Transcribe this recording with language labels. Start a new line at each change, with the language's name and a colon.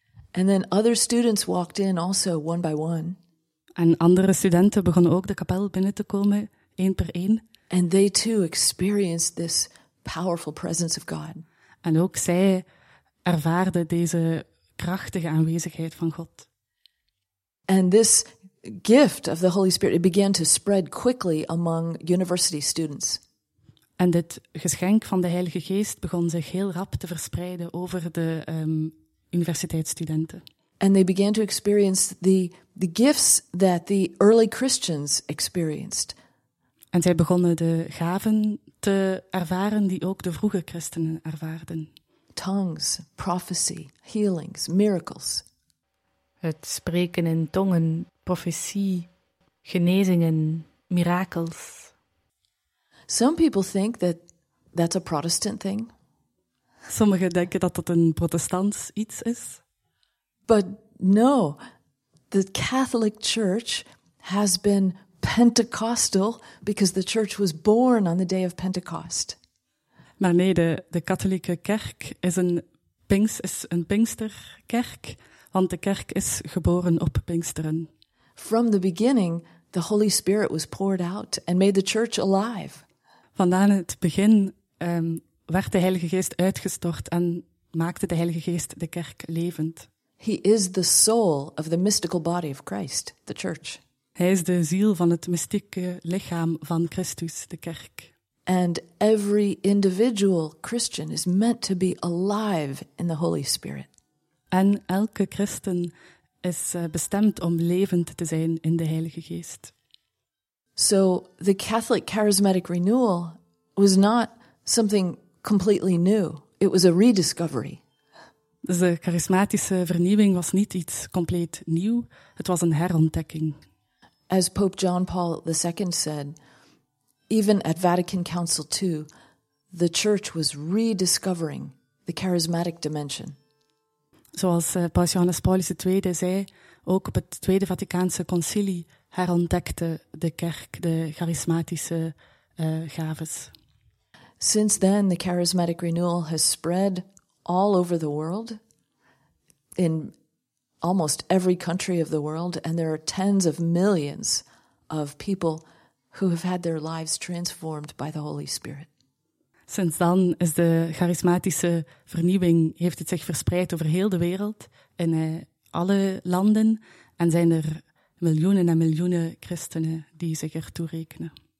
English: And then other students walked in also, one by one.
Dutch: En andere studenten begonnen ook de kapel binnen te komen, één per één.
English: And they too experienced this powerful presence of God.
Dutch: En ook zij ervaarden deze krachtige aanwezigheid van God.
English: And this gift of the Holy Spirit, it began to spread quickly among university students.
Dutch: En dit geschenk van de Heilige Geest begon zich heel rap te verspreiden over de universiteitsstudenten.
English: And they began to experience the gifts that the early Christians experienced.
Dutch: En zij begonnen de gaven te ervaren die ook de vroege christenen ervaarden.
English: Tongues, prophecy, healings, miracles.
Dutch: Het spreken in tongen, profetie, genezingen, mirakels.
English: Some people think that that's a Protestant thing.
Dutch: Sommigen denken dat dat een protestants iets is.
English: But no, the Catholic Church has been Pentecostal because the church was born on the day of Pentecost.
Dutch: Maar nee, de katholieke kerk is een Pinksterkerk, want de kerk is geboren op Pinksteren.
English: From the beginning, the Holy Spirit was poured out and made the church alive.
Dutch: Vandaan het begin werd de Heilige Geest uitgestort en maakte de Heilige Geest de kerk levend.
English: He is the soul of the mystical body of Christ, the church.
Dutch: Hij is de ziel van het mystieke lichaam van Christus, de kerk.
English: And every individual Christian is meant to be alive in the Holy Spirit.
Dutch: En elke christen is bestemd om levend te zijn in de Heilige Geest.
English: So the Catholic charismatic renewal was not something completely new. It was a rediscovery.
Dutch: Dus de charismatische vernieuwing was niet iets compleet nieuw. Het was een herontdekking.
English: As Pope John Paul II said, even at Vatican Council II, the church was rediscovering the charismatic dimension.
Dutch: Zoals Paus Johannes Paulus II zei, ook op het Tweede Vaticaanse Concilie herontdekte de kerk de charismatische gaves.
English: Since then, the charismatic renewal has spread all over the world, in almost every country of the world, and there are tens of millions of people who have had their lives transformed by the Holy Spirit.
Dutch: Sinds dan is de charismatische vernieuwing, heeft het zich verspreid over heel de wereld, in alle landen, en zijn er miljoenen en miljoenen christenen die zich ertoe rekenen.